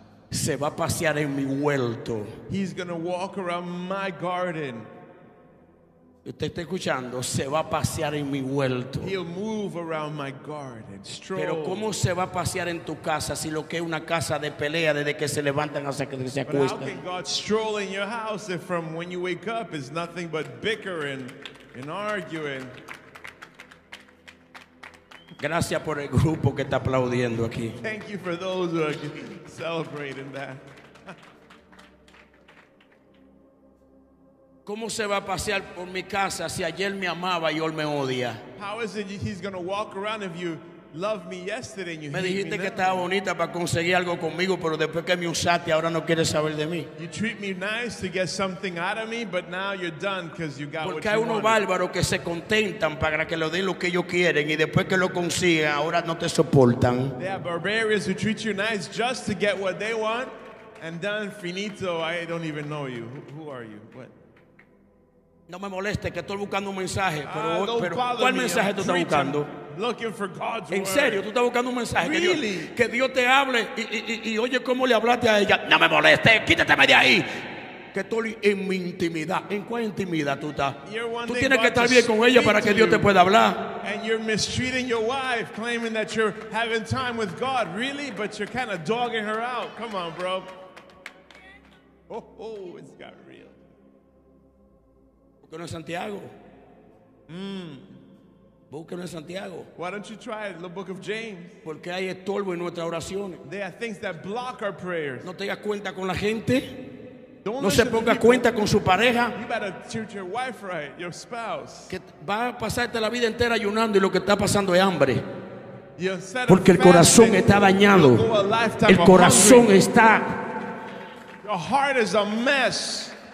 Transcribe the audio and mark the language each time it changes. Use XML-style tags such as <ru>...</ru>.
<es>Se va a pasear en mi huerto.</es> <en>He's going to walk around my garden.</en> <es>Usted está escuchando, se va a pasear en mi huerto.</es> <en>He'll move around my garden, stroll.</en> <es>Pero cómo se va a pasear en tu casa si lo que es una casa de pelea desde que se levantan hasta que se acuestan.</es> <en>But how can God stroll in your house if from when you wake up is nothing but bickering and arguing?</en> <es>Gracias por el grupo que está aplaudiendo aquí.</es> <en>Thank you for those who are celebrating that.</en> <es>¿Cómo se va a pasear por mi casa si ayer me amaba y hoy me odia?</es> <en>How is it he's going to walk around if you loved me yesterday and you hate me?</en> <es>Me dijiste que estaba bonita para conseguir algo conmigo, pero después que me usaste ahora no quieres saber de mí.</es> <en>You treat me nice to get something out of me, but now you're done because you got what you wanted.</en> <es>Porque hay unos bárbaros que se contentan para que le den lo que ellos quieren y después que lo consiguen ahora no te soportan.</es> <en>There are barbarians who treat you nice just to get what they want and then finito, I don't even know you. Who are you? What?</en> <es>No me moleste, que estoy buscando un mensaje. Pero ¿cuál mensaje tú estás buscando?</es> <en>Looking for God's word.</en> <es>En serio, tú estás buscando un mensaje.</es> <en>Really?</en> <es>Que Dios te hable y oye cómo le hablaste a ella. No me moleste, quítateme de ahí. Que estoy en mi intimidad. ¿En cuál intimidad tú estás? Tú tienes que estar bien con ella para que Dios te pueda hablar.</es> <en>And you're mistreating your wife, claiming that you're having time with God. Really? But you're kind of dogging her out. Come on, bro. Oh, it's got real.</en> <es>Busca en Santiago. Busca en Santiago.</es> <en>Why don't you try the book of James?</en> <es>Porque hay estorbo en nuestras oraciones.</es> <en>There are things that block our prayers.</en> <es>No tengas cuenta con la gente.</es> <en>Don't</en> <es>no se ponga cuenta con su pareja.</es> <en>You better treat your wife right, your spouse.</en> <es>Que va a pasarte la vida entera ayunando y lo que está pasando es hambre.</es> <en>Instead</en> <es>Porque el corazón está dañado. El corazón está.</es> <en>Your heart is a mess.</en>